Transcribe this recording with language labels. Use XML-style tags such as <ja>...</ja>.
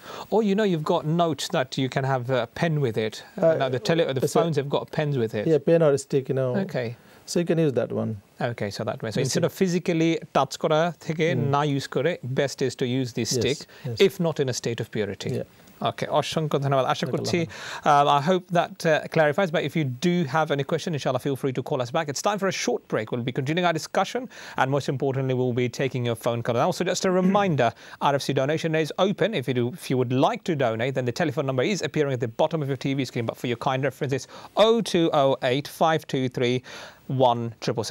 <en>Or you know, you've got notes that you can have a pen with it. Now the phones have got pens with it. Yeah, pen or a stick, you know. Okay. So you can use that one. Okay, so that way. So instead of physically touch</en> <bn>kora theke na</bn> <en>use kore, best is to use this stick, yes, if not in a state of purity. Yeah.</en> <bn>Okay, অসংখ্য ধন্যবাদ আশা করছি।</bn> <en>I hope that clarifies, but if you do have any question, inshallah, feel free to call us back. It's time for a short break. We'll be continuing our discussion, and most importantly, we'll be taking your phone call. And also, just a reminder, RFC donation is open. If you would like to donate, then the telephone number is appearing at the bottom of your TV screen, but for your kind references, 0208-523-166.</en>